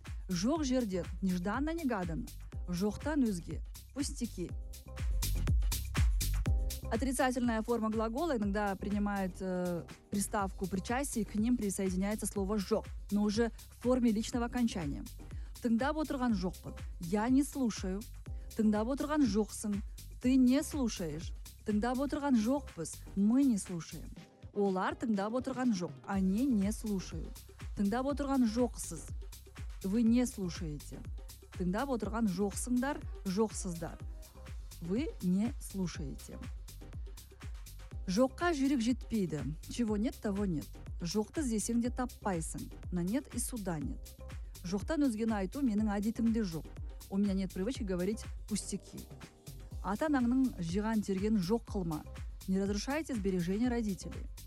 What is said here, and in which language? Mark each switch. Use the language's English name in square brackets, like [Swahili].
[Kazakh] «Жоқ жерде» — [Russian] нежданно-негаданно. [Kazakh] «Жоқтан өзге» — [Russian] пустяки. Отрицательная форма глагола иногда принимает приставку причастие, и к ним присоединяется слово «жоқ», но уже в форме личного окончания. [Kazakh] «Тыңдап отырған жоқпын» — [Russian] «я не слушаю». [Kazakh] «Тыңдап отырған жоқсын» — [Russian] «ты не слушаешь». [Kazakh] «Тыңдап отырған жоқпыз» — [Russian] «мы не слушаем». [Kazakh] «Олар тыңдап отырған жоқ» — [Russian] «они не слушают». [Kazakh] «Тыңдап отырған жоқсыз» — [Russian] «вы не слушаете». [Kazakh] «Тыңдап отырған жоқсыңдар» — «жоқсыздар» — [Russian] «вы не слушаете». [Kazakh] «Жоққа жүрек жетпейді» [Russian] — «чего нет, того нет». [Kazakh] «Жоқты здесьеңде таппайсың» [Russian] — «на нет и суда нет». [Kazakh] «Жоқтан өзгені айту» — «менің әдетімде жоқ». [Russian] «У меня нет привычки говорить пустяки». [Kazakh] Ата-анаңның жиған терген жоқ қылма. [Russian] Не разрушайте сбережения родителей.